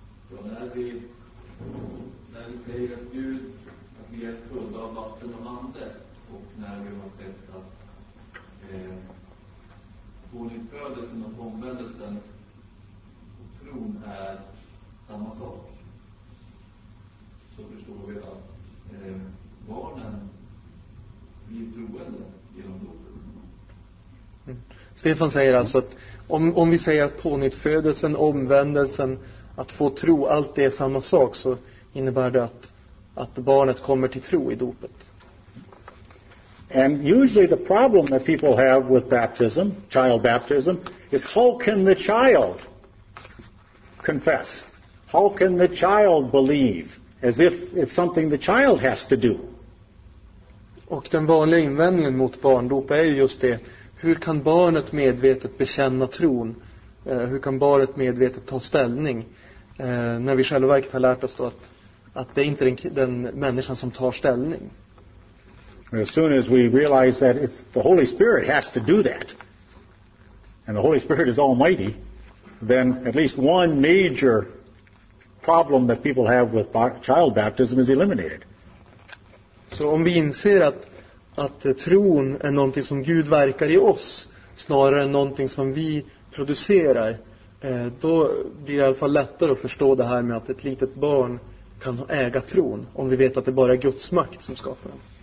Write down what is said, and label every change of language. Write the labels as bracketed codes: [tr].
[sv] Ja, när vi säger att Gud, att vi är fulla av vatten och ande, och när vi har sett att pånyttfödelsen och omvändelsen och tron är samma sak, så förstår vi att barnen blir troende genom dopet. Stefan säger alltså att om vi säger att pånyttfödelsen, omvändelsen, att få tro, allt det är samma sak, så innebär det att barnet kommer till tro i dopet. [en] And usually the problem that people have with baptism, child baptism, is how can the child confess? How can the child believe? As if it's something the child has to do. [sv] Och den vanliga invändningen mot barndop är ju just det. Hur kan barnet medvetet bekänna tron? Hur kan barnet medvetet ta ställning? När vi själva verket har lärt oss då att det är inte den människan som tar ställning. [en] As soon as we realize that it's the Holy Spirit has to do that, and the Holy Spirit is almighty, then at least one major problem that people have with child baptism is eliminated. [sv] Så om vi inser att tron är någonting som Gud verkar i oss snarare än någonting som vi producerar, då blir det i alla fall lättare att förstå det här med att ett litet barn kan äga tron, om vi vet att det bara är Guds makt som skapar den.